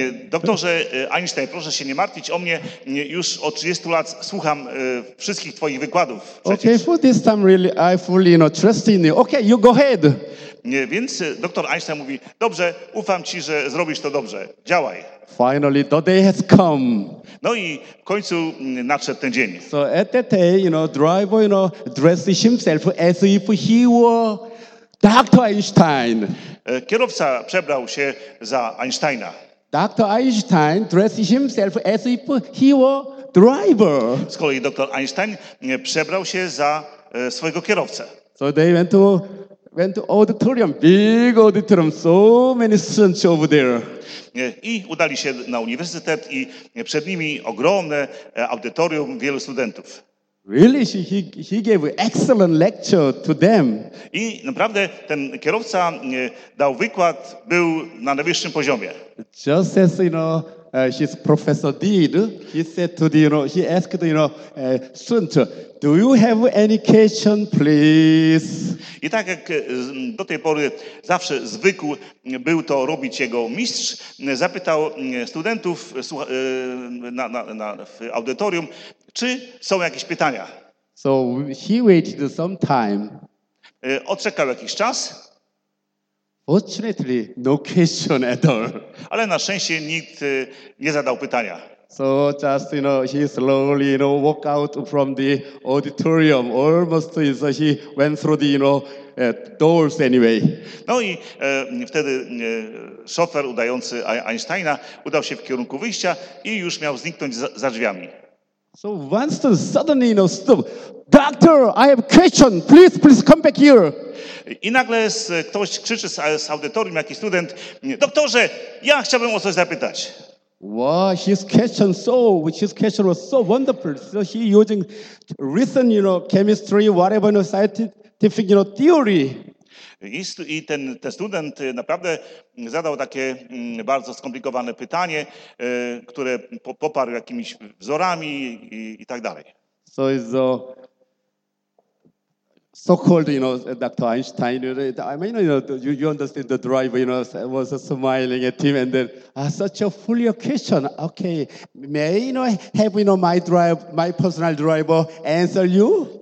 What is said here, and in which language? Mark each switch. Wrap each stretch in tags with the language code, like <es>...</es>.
<pl>Doktorze Einstein, proszę się nie martwić o mnie. Już od 30 lat słucham wszystkich twoich wykładów.</pl> <en>Okay, for this time really I fully, you know, trust in you. Okay, you go ahead.</en> <pl>Więc doktor Einstein mówi, dobrze, ufam ci, że zrobisz to dobrze. Działaj.</pl> <en>Finally, the day has come.</en> <pl>No i w końcu nadszedł ten dzień.</pl> <en>So at that day, you know, driver, you know, dressed himself as if he were Dr. Einstein.</en> <pl>Kierowca przebrał się za Einsteina.</pl> <en>Dr. Einstein dressed himself as if he were driver.</en> <pl>Z kolei doktor Einstein przebrał się za swojego kierowcę.</pl> <en>So they went to auditorium, big auditorium, so many students over there.</en> <pl>I udali się na uniwersytet i przed nimi ogromne audytorium, wielu studentów.</pl> <en>Really, he gave excellent lecture to them.</en> <pl>I naprawdę ten kierowca dał wykład, był na najwyższym poziomie.</pl> <en>Just as you know, his professor did, he said to the, you know, he asked, you know, student, do you have any question, please?</en> <pl>I tak jak do tej pory zawsze zwykł był to robić jego mistrz, zapytał studentów na w audytorium, czy są jakieś pytania.</pl> <en>So he waited some time.</en> <pl>Odczekał jakiś czas.</pl> <en>Fortunately, no question at all.</en> <pl>Ale na szczęście nikt nie zadał pytania.</pl> <en>So just, you know, he slowly, you know, walk out from the auditorium. Almost so he went through the, you know, doors anyway.</en> <pl>No i wtedy szofer udający Einsteina udał się w kierunku wyjścia i już miał zniknąć za drzwiami.</pl> <en>So one student suddenly, you know, stop. Doctor, I have a question. Please come back here.</en> <pl>I nagle ktoś krzyczy z audytorium, jakiś student. Doktorze, ja chciałbym o coś zapytać.</pl> <en>Wow, his question was so wonderful. So he using recent, you know, chemistry, whatever, you know, scientific, you know, theory.</en> <pl>I ten student naprawdę zadał takie bardzo skomplikowane pytanie, które poparł jakimiś wzorami i tak dalej.</pl> <en>So is so-called, you know, Dr. Einstein, I mean, you know, you understand the driver, you know, was smiling at him, and then, such a fully question. Okay, may, you know, have, you know, my personal driver answer you?</en>